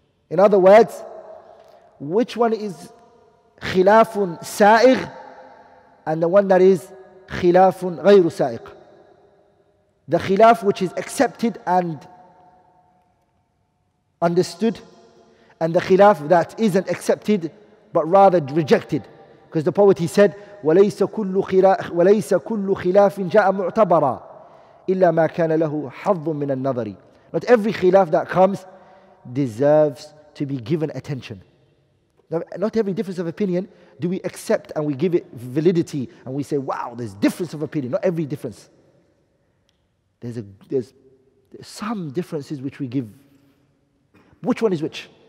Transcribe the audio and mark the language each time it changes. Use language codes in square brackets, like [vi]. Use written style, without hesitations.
[en] In other words, which one is khilafun sa'igh and the one that is khilafun ghayru sa'igh? The khilaf which is accepted and understood, and the khilaf that isn't accepted but rather rejected. Because the poet, he said, [ar] وَلَيْسَ كُلُّ خِلَافٍ جَاءَ مُعْتَبَرًا إِلَّا مَا كَانَ لَهُ حَظٌ مِّنَ النَّظَرِ. [en] Not every khilaf that comes deserves to be given attention. Not every difference of opinion do we accept and we give it validity and we say, wow, there's difference of opinion. Not every difference. There's some differences which we give. Which one is which?